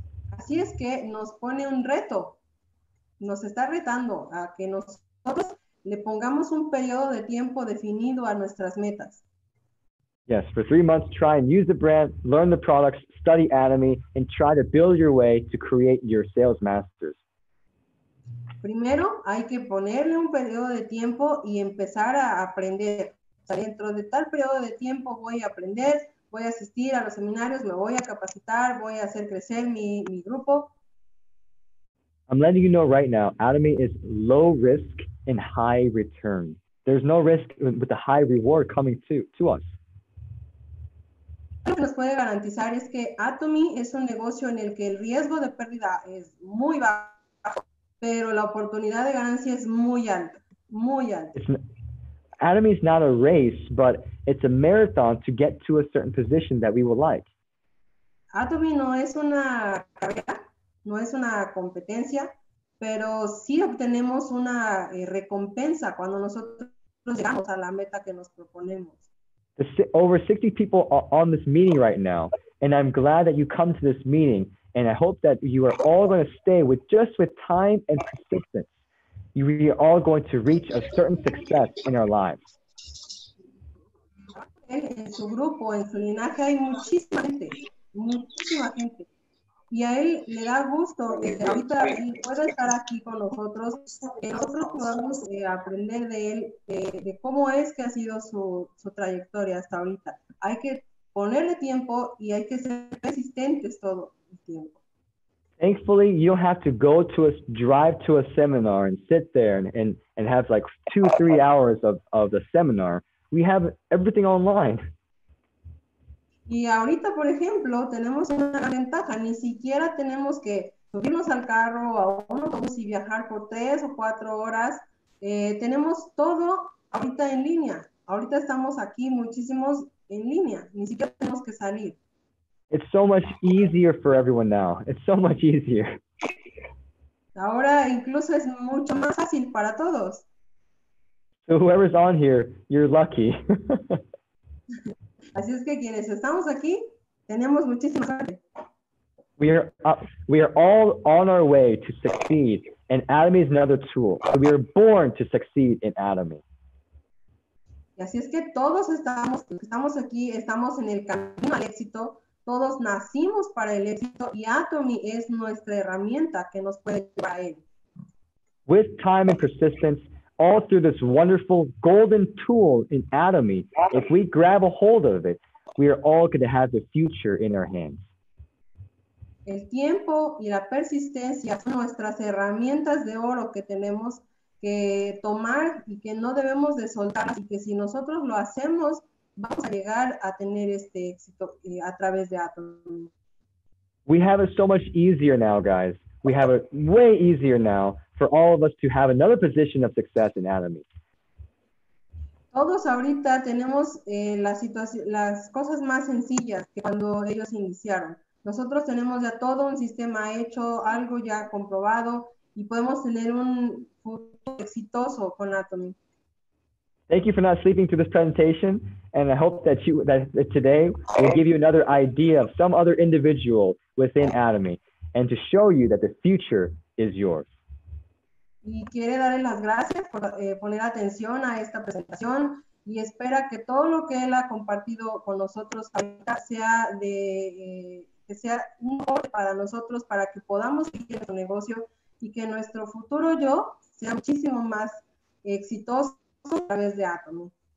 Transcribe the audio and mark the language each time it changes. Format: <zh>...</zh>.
<es>Así es que nos pone un reto. Nos está retando a que nosotros le pongamos un periodo de tiempo definido a nuestras metas.</es> <en>Yes, for 3 months, try and use the brand, learn the products, study Atomy, and try to build your way to create your sales masters.</en> <es>Primero, hay que ponerle un periodo de tiempo y empezar a aprender. O sea, dentro de tal periodo de tiempo voy a aprender, voy a asistir a los seminarios, me voy a capacitar, voy a hacer crecer mi grupo.</es> <en>I'm letting you know right now, Atomy is low risk and high return. There's no risk with the high reward coming to us.</en> <es>Lo que nos puede garantizar es que Atomy es un negocio en el que el riesgo de pérdida es muy bajo. Pero la oportunidad de ganancia es muy alta, muy alta.</es> <en>Atomy is not a race, but it's a marathon to get to a certain position that we would like.</en> <es>Atomy no es una carrera, no es una competencia, pero sí obtenemos una recompensa cuando nosotros llegamos a la meta que nos proponemos.</es> <en>Over 60 people are on this meeting right now, and I'm glad that you come to this meeting, and I hope that you are all going to stay with just with time and persistence. You are all going to reach a certain success in our lives.</en> <es>En su grupo, en su linaje, hay muchísima gente, y a él le da gusto que ahorita pueda estar aquí con nosotros, que nosotros podamos aprender de él, de cómo es que ha sido su trayectoria hasta ahorita. Hay que ponerle tiempo y hay que ser persistentes todo el tiempo.</es> <en>Thankfully, you don't have to go to a drive to a seminar and sit there and have like 2-3 hours of the seminar. We have everything online.</en> <es>Y ahorita, por ejemplo, tenemos una ventaja. Ni siquiera tenemos que subirnos al carro o a un autobús y viajar por 3 o 4 horas. Tenemos todo ahorita en línea. Ahorita estamos aquí muchísimos en línea. Ni siquiera tenemos que salir.</es> <en>It's so much easier for everyone now. It's so much easier.</en> <es>Ahora incluso es mucho más fácil para todos.</es> <en>So whoever's on here, you're lucky.</en> <es>Así es que quienes estamos aquí, tenemos muchísima suerte.</es> <en>We are all on our way to succeed, and Atomy is another tool. So we are born to succeed in Atomy.</en> <es>Y así es que todos estamos aquí, estamos en el camino al éxito. Todos nacimos para el éxito, y Atomy es nuestra herramienta que nos puede llevar a él.</es> <en>With time and persistence, all through this wonderful golden tool in Atomy, if we grab a hold of it, we are all going to have the future in our hands.</en> <es>El tiempo y la persistencia son nuestras herramientas de oro que tenemos que tomar y que no debemos de soltar. Y que si nosotros lo hacemos, vamos a llegar a tener este éxito a través de Atomy.</es> <en>We have it so much easier now, guys. We have it way easier now for all of us to have another position of success in Atomy.</en> <es>Todos ahorita tenemos las cosas más sencillas que cuando ellos iniciaron. Nosotros tenemos ya todo un sistema hecho, algo ya comprobado, y podemos tener un futuro exitoso con Atomy.</es> <en>Thank you for not sleeping through this presentation, and I hope that today will give you another idea of some other individual within Atomy, and to show you that the future is yours.</en> <es>Y quiere darle las gracias por poner atención a esta presentación y espera que todo lo que él ha compartido con nosotros sea que sea un aporte para nosotros, para que podamos seguir nuestro negocio y que nuestro futuro yo sea muchísimo más exitoso a través de Atomy.</es>